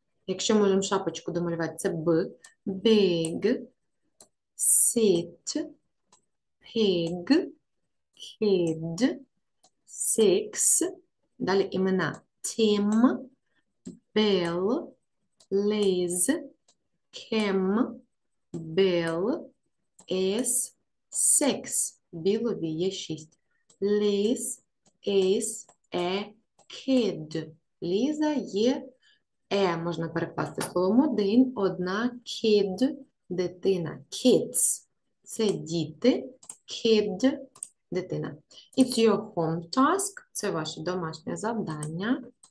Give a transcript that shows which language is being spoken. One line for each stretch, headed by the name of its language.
Ukrainian: Якщо можемо шапочку домалювати, це B.
English: Big, sit, pig, kid, six,
Ukrainian: далі імена,
English: Tim, Bill, Liz,
Ukrainian: Kim, Bill, is, six, Білові є 6,
English: Liz is a kid,
Ukrainian: Ліза є E можна перекласти словом один, одна, kid, дитина, kids, це діти, kid, дитина.
English: It's your home task,
Ukrainian: це ваше домашнє завдання.